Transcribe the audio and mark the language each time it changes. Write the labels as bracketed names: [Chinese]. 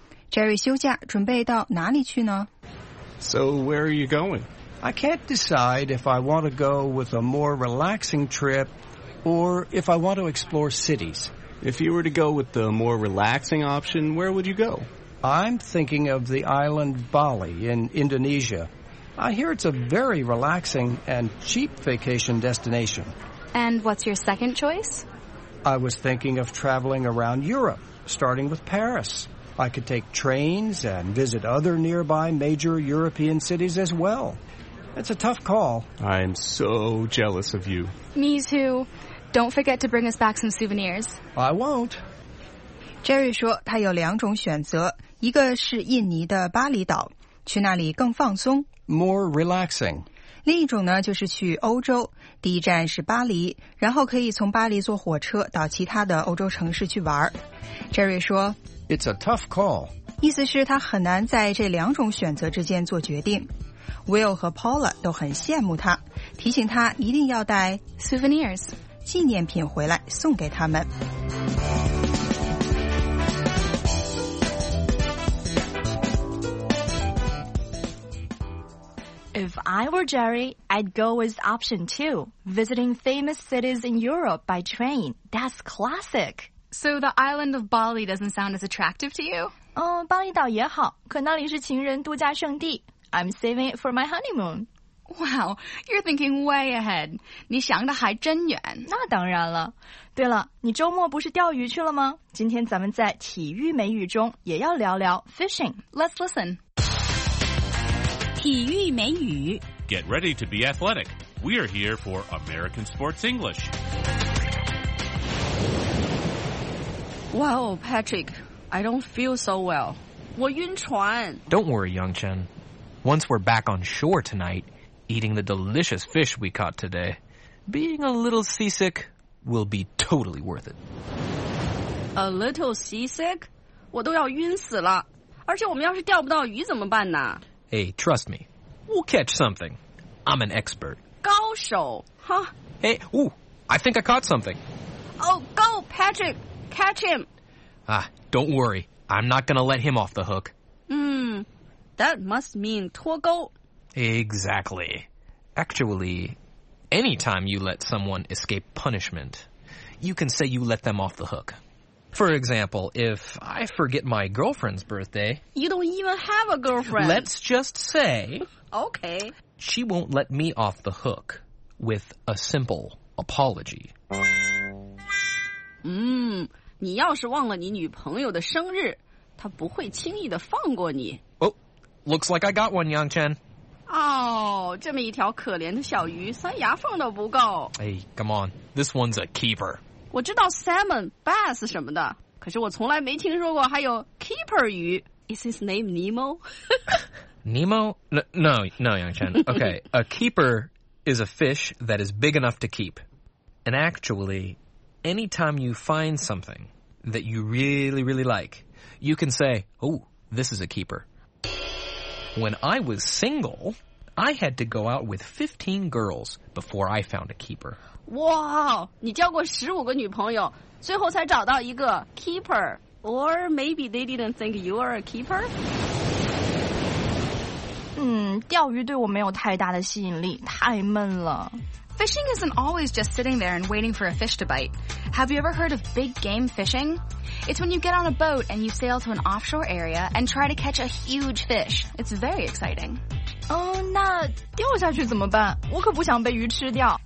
[Chinese] Jerry 休假，准备到哪里去呢？ [English] So where are you going? I can't decide if I want to go with a more relaxing trip or if I want to explore cities. If you were to go with the more relaxing option, where would you go? I'm thinking of the island Bali in Indonesia. I hear it's a very relaxing and cheap vacation destination. And what's your second choice? I was thinking of traveling around Europe, starting with Paris. I could take trains and visit other nearby major European cities as well. It's a tough call. I'm so jealous of you. Me too. Don't forget to bring us back some souvenirs. I won't. [Chinese] Jerry 说他有两种选择，一个是印尼的巴厘岛，去那里更放松。 [English] More relaxing. [Chinese] 另一种呢，就是去欧洲，第一站是巴黎，然后可以从巴黎坐火车到其他的欧洲城市去玩。 Jerry 说 [English] It's a tough call. [Chinese] 意思是他很难在这两种选择之间做决定。 Will 和 Paula 都很羡慕他，提醒他一定要带 [English] souvenirs [Chinese] 纪念品回来送给他们。 [English] If I were Jerry, I'd go with option 2, visiting famous cities in Europe by train. That's classic. So the island of Bali doesn't sound as attractive to you? [Chinese] 巴厘岛也好，可那里是情人度假胜地。 [English] I'm saving it for my honeymoon. Wow, you're thinking way ahead. [Chinese] 你想的还真远。那当然了。对了，你周末不是钓鱼去了吗？今天咱们在体育美语中也要聊聊 fishing. [English] Let's listen. [Chinese] 体育美语。 [English] Get ready to be athletic. We are here for American Sports English. Wow, Patrick, I don't feel so well. [Chinese] 我晕船。 [English] Don't worry, Yongchen. Once we're back on shore tonight, eating the delicious fish we caught today, being a little seasick will be totally worth it. A little seasick? [Chinese] 我都要晕死了。而且我们要是钓不到鱼怎么办呢？ [English] Hey, trust me. We'll catch something. I'm an expert. 高手, huh? Hey, ooh, I think I caught something. Oh, go, Patrick! Catch him! Ah, don't worry. I'm not gonna let him off the hook. That must mean 脱钩. Exactly. Actually, anytime you let someone escape punishment, you can say you let them off the hook. For example, if I forget my girlfriend's birthday... You don't even have a girlfriend! Let's just say... Okay. She won't let me off the hook with a simple apology. [Chinese] 你要是忘了你女朋友的生日，她不会轻易的放过你。 [English] Oh, looks like I got one, Yongchen. [Chinese] 这么一条可怜的小鱼，塞牙缝都不够。 [English] Hey, come on, this one's a keeper. [Chinese] 我知道 salmon, bass 什么的，可是我从来没听说过还有 keeper 鱼。 [English] Is his name Nemo? Nemo? No, Yongchen. Okay, a keeper is a fish that is big enough to keep. And actually... Anytime you find something that you really, really like, you can say, oh, this is a keeper. When I was single, I had to go out with 15 girls before I found a keeper. [Chinese] Wow, 你交过15个女朋友，最后才找到一个 keeper. [English] Or maybe they didn't think you are a keeper? [Chinese] 钓鱼对我没有太大的吸引力，太闷了。 [English] Fishing isn't always just sitting there and waiting for a fish to bite. Have you ever heard of big game fishing? It's when you get on a boat and you sail to an offshore area and try to catch a huge fish. It's very exciting. [Chinese] 那掉下去怎么办？我可不想被鱼吃掉。